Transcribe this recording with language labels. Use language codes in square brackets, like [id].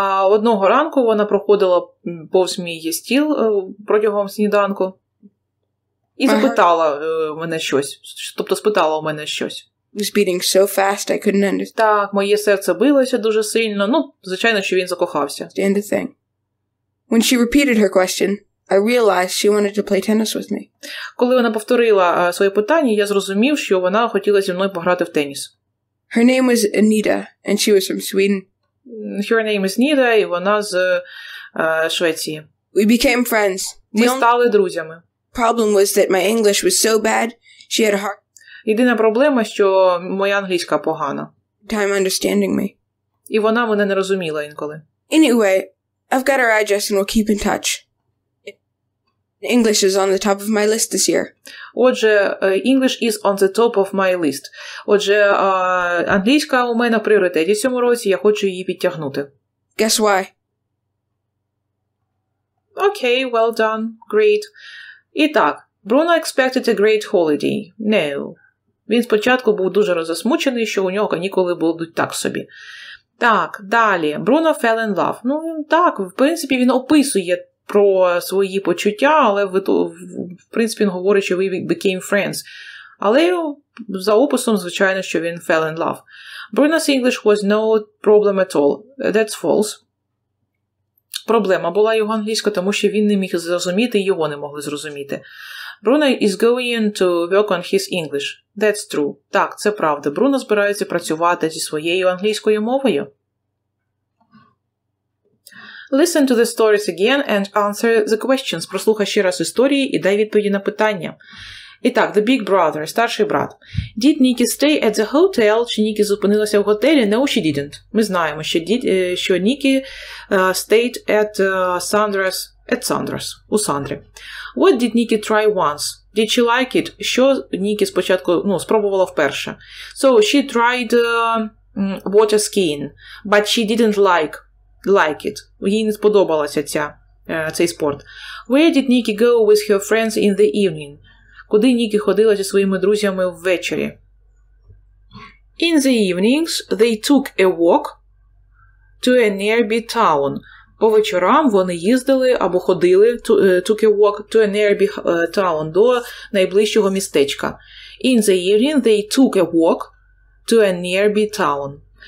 [uk] Одного ранку вона проходила повз мій стіл протягом сніданку і запитала мене щось, тобто спитала у мене щось. [en] It was beating so fast I couldn't understand. [uk] Так, моє серце билося дуже сильно, ну, звичайно, що він закохався. [en] Stand the thing. When she repeated her question, I realized she wanted to play tennis with me. [uk] Коли вона повторила своє питання, я зрозумів, що вона хотіла зі мною пограти в теніс. [en] Her name was Anita, and she was from Sweden. Her name is [uk] Nida, і вона з Швеції. [en] We became friends. [uk] Ми стали друзями. [en] Problem was that my English was so bad, she had a hard... [uk] Єдина проблема, що моя англійська погана. [en] Time understanding me. [uk] І вона мене не розуміла інколи. [en] Anyway, I've got her address and we'll keep in touch. English is on the top of my list this year. [uk] Отже, [en] English is on the top of my list. [uk] Отже, англійська у мене в пріоритеті в цьому році, я хочу її підтягнути. [en] Guess why? Okay, well done. Great. [uk] І так, [en] Bruno expected a great holiday. No. [uk] Він спочатку був дуже розсмучений, що у нього канікули будуть так собі. Так, далі. [en] Bruno fell in love. [uk] Ну, так, в принципі, він описує про свої почуття, але в принципі він говорить, що [en] we became friends. [uk] Але за описом, звичайно, що він [en] fell in love. Bruno's English was no problem at all. That's false. [uk] Проблема була його англійська, тому що він не міг зрозуміти, його не могли зрозуміти. [en] Bruno is going to work on his English. That's true. [uk] Так, це правда. Bruno збирається працювати зі своєю англійською мовою. [en] Listen to the stories again and answer the questions. [uk] Прослухай ще раз історії і дай відповіді на питання. [en] І так, the big brother, [uk] старший брат. [en] Did Nikki stay at the hotel? [uk] Чи Nikki зупинилася в готелі? [en] No, she didn't. [uk] Ми знаємо, що, що Nikki [en] stayed at Sandra's. At Sandra's. [uk] У Сандри. [en] What did Nikki try once? Did she like it? [uk] Що Nikki спочатку, ну, спробувала вперше? [en] So, she tried water skiing, but she didn't like it. [uk] Їй не сподобалася цей спорт. [en] Where did Nikki go with her friends in the evening? [uk] Куди Нікі ходила зі своїми друзями ввечері? [en] In the evenings they took a walk to a nearby town. [uk] По вечорам вони їздили або ходили [en] took a walk to a nearby town, [uk] до найближчого містечка. [en] In the evening they took a walk to a nearby town.